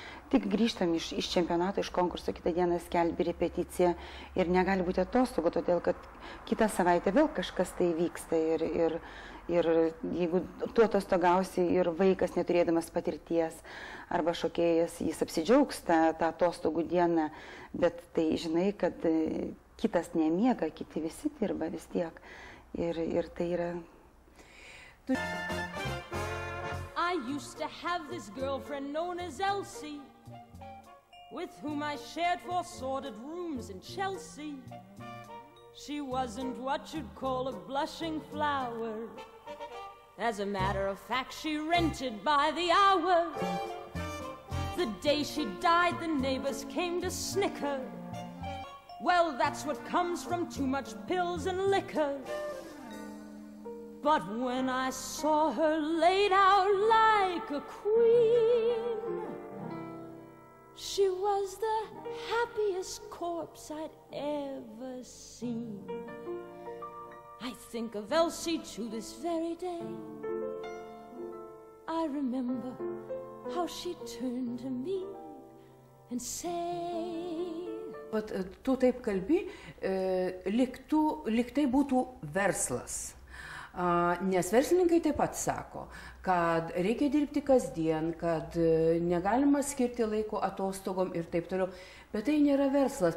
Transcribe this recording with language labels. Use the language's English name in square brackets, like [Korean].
[Lithuanian] Tik grįžtam iš čempionato, iš konkurso, kitą dieną skelbi repeticiją ir negali būti atostogų, todėl kad kitą savaitę vėl kažkas tai vyksta ir jeigu tu atostogausi ir vaikas neturėdamas patirties arba šokėjas, jis apsidžiaugs tą atostogų dieną, bet tai žinai, kad kitas nemiega, kiti visi dirba vis tiek ir tai yra... [English] I used to have this girlfriend known as Elsie, with whom I shared four sordid rooms in Chelsea. She wasn't what you'd call a blushing flower. As a matter of fact, she rented by the hour. The day she died, the neighbors came to snicker. Well, that's what comes from too much pills and liquor. But when I saw her laid out like a queen, she was the happiest corpse I'd ever seen. I think of Elsie to this very day. I remember how she turned to me and said... [Lithuanian] Vat tu taip kalbi, lyg tai būtų verslas. Nes verslininkai taip pat sako, kad reikia dirbti kasdien, kad negalima skirti laiko atostogom ir taip toliau, bet tai nėra verslas.